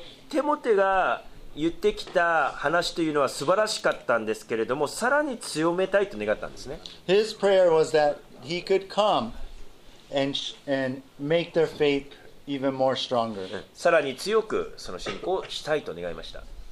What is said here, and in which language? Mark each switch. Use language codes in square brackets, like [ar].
[ja] テモテが言ってきた話というのは素晴らしかったんですけれども、さらに強めたいと願ったんですね。 [en] His prayer was that he could come and make their faith even more stronger. [ja] さらに強くその信仰をしたいと願いました。